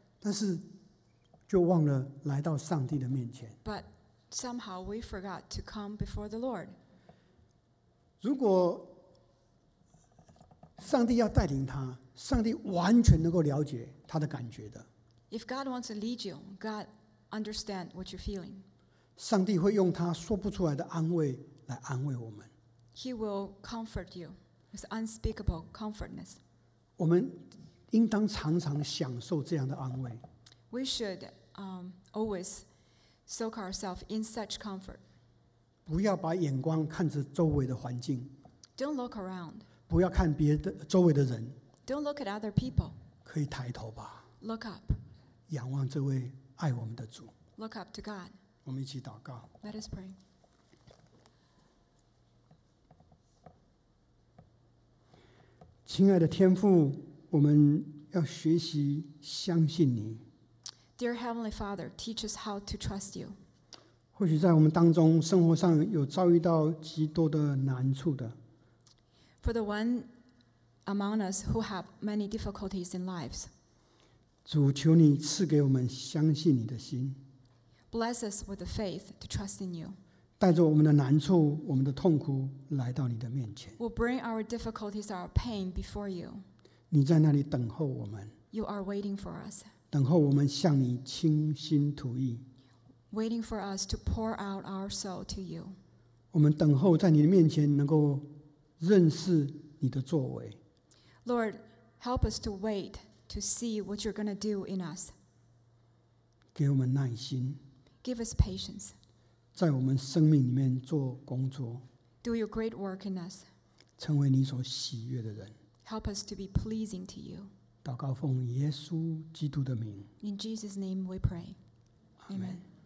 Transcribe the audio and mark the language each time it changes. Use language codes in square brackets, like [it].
[zh] 但是就忘了来到上帝的面前。 [en] But somehow we forgot to come before the Lord. [zh] 如果上帝要带领他，上帝完全能够了解他的感觉的。 [en] If God wants to lead you, God understands what you're feeling. [zh] 上帝会用他说不出来的安慰来安慰我们。 [en] He will comfort you with unspeakable comfortness. [zh] 我们应当常常享受这样的安慰。 [en] We should always soak ourselves in such comfort. [zh] 不要把眼光看着周围的环境。 [en] Don't look around. [zh] 不要看别的周围的人。 [en] Don't look at other people. [zh] 可以抬头吧。 [en] Look up. [zh] 仰望这位爱我们的主。 [en] Look up to God. [zh] 我们一起祷告。 [en] Let us pray. [zh] 亲爱的天父，我们要学习相信你。 [en] Dear Heavenly Father, teach us how to trust you. [zh] 或许在我们当中生活上有遭遇到极多的难处的。 [en] For the one among us who have many difficulties in lives. [zh] 主，求你赐给我们相信你的心。 [en] Bless us with the faith to trust in you. [zh] 带着我们的难处，我们的痛苦来到你的面前。 [en] We'll bring our difficulties, our pain before you. [zh] 你在那里等候我们。 [en] You are waiting for us. [zh] 等候我们向你倾心吐意。 [en] Waiting for us to pour out our soul to you. [zh] 我们等候在你的面前能够认识你的作为。 [en] Lord, help us to wait to see what you're going to do in us. [zh] 给我们耐心。 [en] Give us patience. [zh] 在我们生命里面做工作。 [en] Do your great work in us. [zh] 成为你所喜悦的人。 [en] Help us to be pleasing to you. [zh] 祷告奉耶稣基督的名。 [en] In Jesus' name we pray. Amen.